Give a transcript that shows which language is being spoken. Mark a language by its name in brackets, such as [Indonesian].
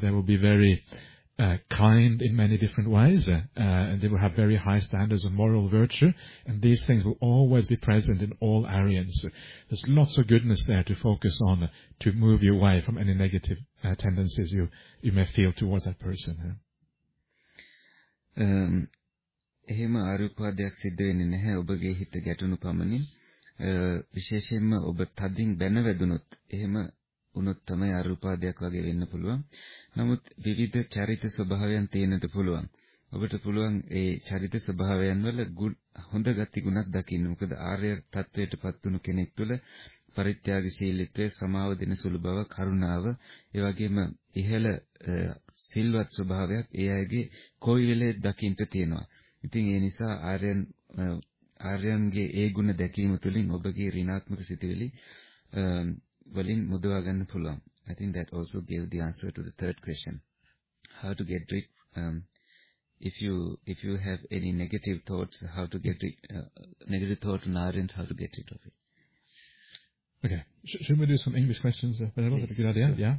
[English] They will be very kind in many different ways. And they will have very high standards of moral virtue. And these things will always be present in all Aryans. There's lots of goodness there to focus on to move you away from any negative tendencies you may feel towards that person. [Sinhala] එහෙම ආරූපවාදයක් සිද්ධ වෙන්නේ නැහැ ඔබගේ හිත ගැටුණු පමණින් විශේෂයෙන්ම ඔබ තදින් බැනවැදුනොත් එහෙම වුණොත් තමයි ආරූපවාදයක් වගේ වෙන්න පුළුවන් නමුත් විවිධ චරිත ස්වභාවයන් තියෙනද පුළුවන් ඔබට පුළුවන් ඒ චරිත ස්වභාවයන් වල හොඳ ගති ගුණක් දකින්න මොකද ආර්ය තත්වයට පත්වුණු කෙනෙක් තුළ පරිත්‍යාගශීලීත්වය සමාව දෙන සුළු බව කරුණාව ඒ වගේම ඉහළ සිල්වත් ස්වභාවයක් ඒ අයගේ කොයි වෙලේ දකින්න තියෙනවා ඉතින් ඒ නිසා ආර්යන්ගේ ඒ ගුණ දැකීම තුළින් ඔබගේ ඍණාත්මක සිතුවිලි වලින් මුදවා ගන්න පුළුවන්. [English] I think that also gave the answer to the third question. How to get rid if you have any negative thoughts, how to get rid negative thought in Aryans, how to get rid of it. Okay. Should we do some English questions? Yes. That's a good idea. Sure. Yeah.